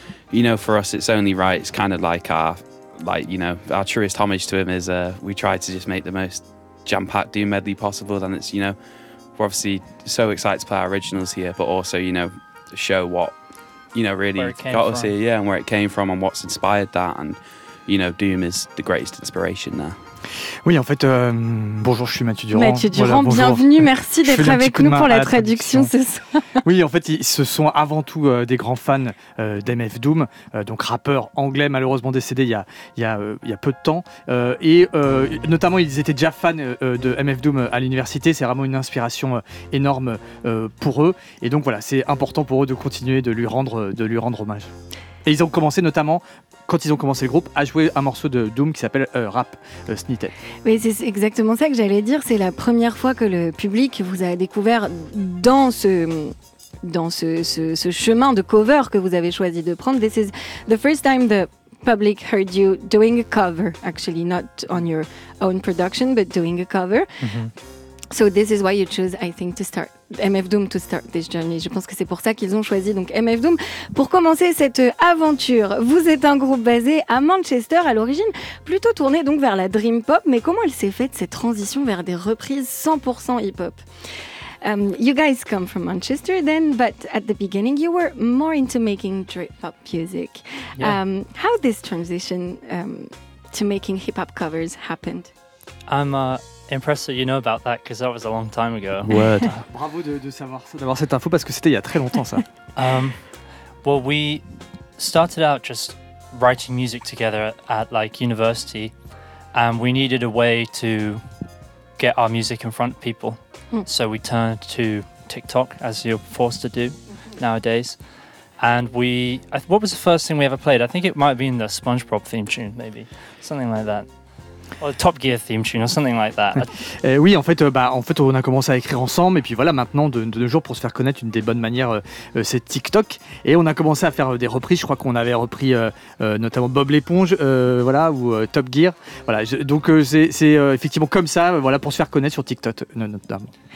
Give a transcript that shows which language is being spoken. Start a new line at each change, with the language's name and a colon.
English: you know, for us, it's only right. It's kind of like our, like, you know, our truest homage to him is we try to just make the most jam-packed doom medley possible. And it's, you know, we're obviously so excited to play our originals here, but also, you know, show what, you know, really got us here, yeah, and where it came from and what's inspired that. And, you know, doom is the greatest inspiration there.
French: Oui, en fait, bonjour, je suis Mathieu Durand. Mathieu Durand, voilà, bienvenue, merci d'être avec nous pour la traduction ce soir. Oui, en fait, ce sont avant tout des grands fans d'MF Doom, donc rappeur anglais malheureusement décédé il y a peu de temps. Et notamment, ils étaient déjà fans de MF Doom à l'université, c'est vraiment une inspiration énorme pour eux. Et donc voilà, c'est important pour eux de continuer de lui rendre hommage. Et ils ont commencé notamment... quand ils ont commencé le groupe, à jouer un morceau de Doom qui s'appelle Rap Snippet. Oui, c'est exactement ça que j'allais dire. C'est la première fois que le public vous a découvert dans ce chemin de cover que vous avez choisi de prendre.
English: This is the first time the public heard you doing a cover, actually, not on your own production, but doing a cover. Mm-hmm. So this is why you choose, I think, to start. MF Doom to start this journey.
French: Je pense que c'est pour ça qu'ils ont choisi donc MF Doom pour commencer cette aventure. Vous êtes un groupe basé à Manchester, à l'origine plutôt tourné donc vers la dream pop, mais comment elle s'est faite cette transition vers des reprises 100% hip hop?
English: You guys come from Manchester then, but at the beginning you were more into making dream pop music. Yeah. How this transition to making hip hop covers happened? Impressed that you know about that because that was a long time ago. Word.
French: Bravo de savoir ça, d'avoir cette info parce que c'était il y a très longtemps ça.
English: Well, we started out just writing music together at like university, and we needed a way to get our music in front of people. So we turned to TikTok, as you're forced to do nowadays. And what was the first thing we ever played? I think it might have been the SpongeBob theme tune, maybe something like that. Or Top Gear theme tune or something like that.
French: Oui, en fait, on a commencé à écrire ensemble et puis voilà, maintenant de nos jours pour se faire connaître, une des bonnes manières c'est TikTok et on a commencé à faire des reprises. Je crois qu'on avait repris notamment Bob l'éponge, voilà, ou Top Gear. Voilà, donc c'est effectivement comme ça, voilà, pour se faire connaître sur TikTok notamment.